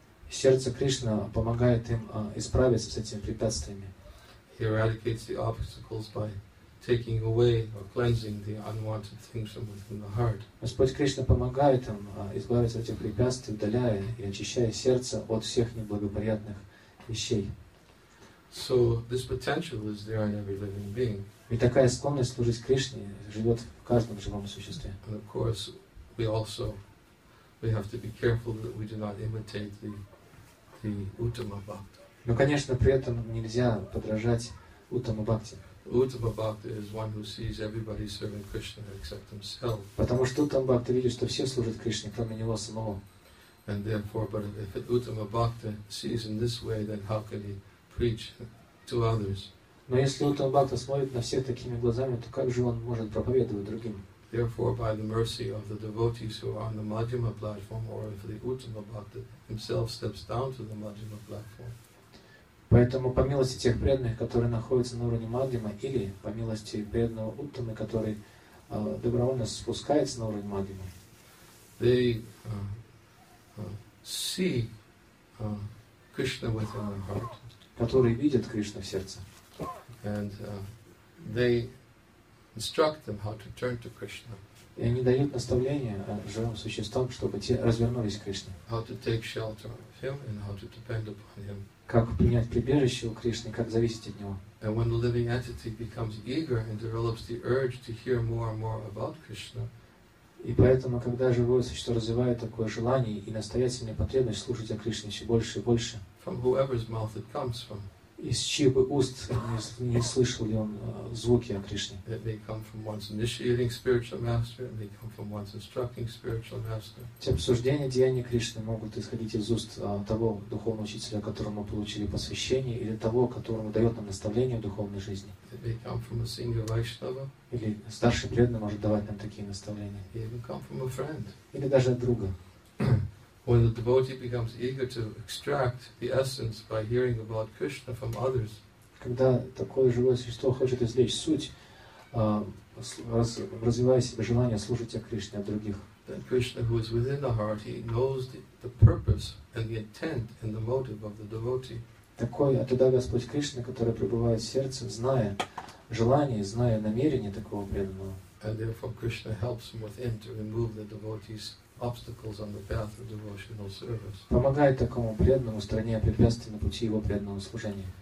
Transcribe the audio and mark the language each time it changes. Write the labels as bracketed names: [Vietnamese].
[Russian] Сердце Кришна помогает им исправиться с этими препятствиями. [English] He eradicates the obstacles by taking away or cleansing the unwanted things from within the heart. [Russian] Господь Кришна помогает им избавиться от этих препятствий, удаляя и очищая сердце от всех неблагоприятных вещей. [English] So this potential is there in every living being. [Russian] И такая склонность служить Кришне живет в каждом живом существе. [English] And of course, we have to be careful that we do not imitate the Uttama Bhakta. [Russian] Но, конечно, при этом нельзя подражать Uttama Bhakti. [English] Uttama Bhakta is one who sees everybody serving Krishna except himself. [Russian] Потому что Uttama Bhakta видит, что все служат Кришне, кроме него самого. [English] And therefore, but if Uttama Bhakta sees in this way, then how can he preach to others? [Russian] Но если Уттама Бхакта смотрит на всех такими глазами, то как же он может проповедовать другим? [English] Therefore, by the mercy of the devotees who are on the Madhyama platform, or if the Uttama Bhakta himself steps down to the Madhyama platform. [Russian] Поэтому по милости тех преданных, которые находятся на уровне Мадхима, или по милости преданного Уттамы, который добровольно спускается на уровень Мадхима, [English] they see Krishna within their heart, [Russian] которые видят Кришну в сердце. [English] And they instruct them how to turn to Krishna. [Russian] И они дают наставления живым существам, чтобы те развернулись к Кришне. [English] How to take shelter of him and how to depend upon him. [Russian] Как принять прибежище у Кришны, как зависеть от него. [English] And when the living entity becomes eager and develops the urge to hear more and more about Krishna. [Russian] И поэтому, когда живое существо развивает такое желание и настоятельную потребность слушать о Кришне еще больше и больше. [English] From whoever's mouth it comes from. [Russian] Из чьих бы уст не слышал ли он звуки о Кришне. [English] It may come from one's initiating spiritual master, it may come from one's instructing spiritual master. [Russian] Те обсуждения деяния Кришны могут исходить из уст того духовного учителя, которому мы получили посвящение, или того, которому дает нам наставление в духовной жизни. [English] It may come from a single Vaishnava. [Russian] Или старший преданный может давать нам такие наставления. [English] It may come from a friend. [Russian] Или даже от друга. [English] When the devotee becomes eager to extract the essence by hearing about Krishna from others, [Russian] когда такое живое существо хочет извлечь суть, развивая себе желание служить о Кришне от других, [English] then Krishna, who is within the heart, he knows the purpose and the intent and the motive of the devotee. [Russian] Такой, а тогда Господь Кришна, который пребывает в сердце, зная желание, зная намерение такого преданного, [English] And therefore Krishna helps him within to remove the devotee's obstacles on the path of devotional service. [Russian] Помогает такому преданному стране препятствий на пути его преданного служения.